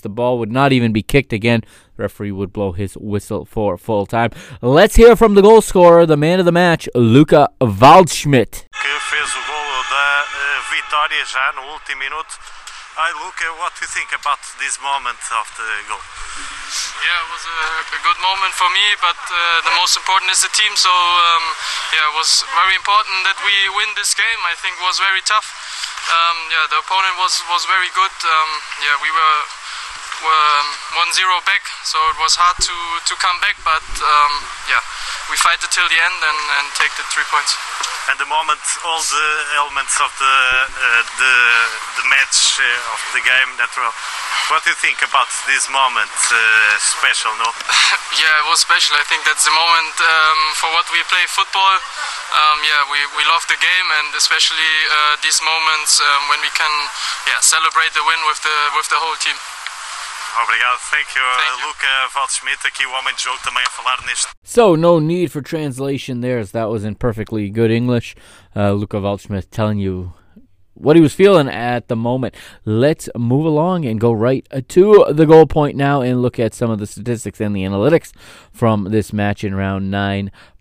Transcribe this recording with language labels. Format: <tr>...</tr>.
<en>The ball would not even be kicked again. The referee would blow his whistle for full time. Let's hear from the goal scorer, the man of the match, Luka Waldschmidt.</en> <pt>Que fez o golo da vitória já no último minuto.</pt> <en>Hi Luka, what do you think about this moment of the goal? Yeah, it was a good moment for me, but the most important is the team. So, it was very important that we win this game. I think it was very tough. The opponent was very good. We were 1-0 back, so it was hard to come back. But, we fight until the end and take the 3 points. And the moment, all the elements of the match, of the game, that were... What do you think about this moment? Special, no? Yeah, it was special. I think that's the moment for what we play football. We love the game, and especially these moments when we can celebrate the win with the whole team.</en> <pt>Obrigado.</pt> <en>Thank you.</en> <pt>Luka Waldschmidt, aqui o homem de jogo, também a falar neste...</pt> <en>So, no need for translation there, as that was in perfectly good English. Luka Waldschmidt telling you what he was feeling at the moment. Let's move along and go right to the goal point now and look at some of the statistics and the analytics from this match in round 9.</en>